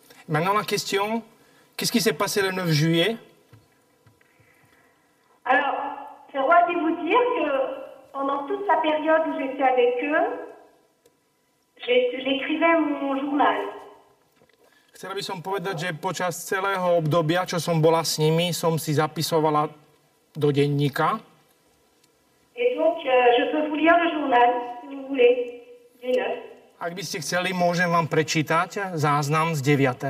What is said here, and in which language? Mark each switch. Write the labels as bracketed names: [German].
[French] Maintenant la question, qu'est-ce qui s'est passé le 9 juillet? Alors, je dois vous dire que pendant toute la période où j'étais avec eux, j'écrivais mon journal. [Slovak] Chcela by som povedať, že počas celého obdobia, čo som bola s nimi, som si zapisovala do denníka. [French] Et donc, je peux vous lire le journal, si vous voulez, du 9. [Slovak] Ak by ste chceli, môžem vám prečítať záznam z 9.